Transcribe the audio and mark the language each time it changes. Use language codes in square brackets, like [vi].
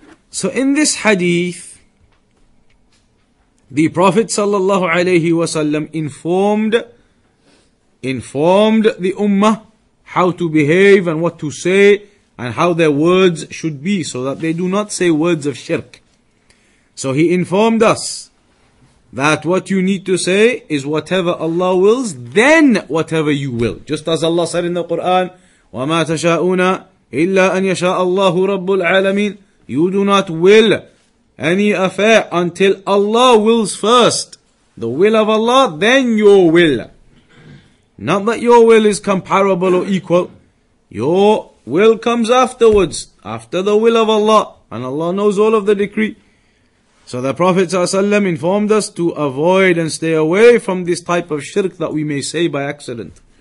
[en] So in this hadith, the Prophet sallallahu alayhi wasallam informed the ummah how to behave and what to say and how their words should be so that they do not say words of shirk. So he informed us that what you need to say is whatever Allah wills, then whatever you will. Just as Allah said in the Quran, [ar] وَمَا تَشَاءُونَ إِلَّا أَن يَشَاءَ اللَّهُ رَبُّ الْعَالَمِينَ. [en] You do not will any affair until Allah wills first. The will of Allah, then your will. Not that your will is comparable or equal. Your will comes afterwards, after the will of Allah. And Allah knows all of the decree. So the Prophet ﷺ informed us to avoid and stay away from this type of shirk that we may say by accident.